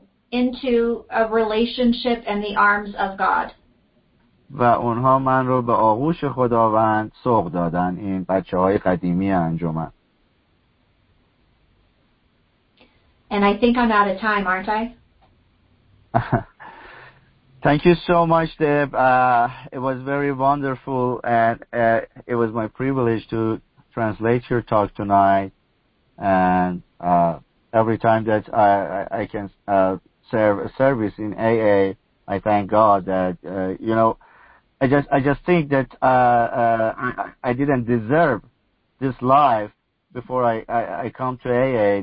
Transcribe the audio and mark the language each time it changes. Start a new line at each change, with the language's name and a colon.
English: into a relationship in the arms of God.
Persian: و اونها من رو به آغوش خداوند سوق دادن، این بچه های قدیمی انجمن.
English: And I think I'm out of time, aren't I? Thank you so much, Deb. It was very wonderful, and it was my privilege to translate your talk tonight. And every time that I can serve a service in AA, I thank God that, you know, I just think that I didn't deserve this life before I come to AA.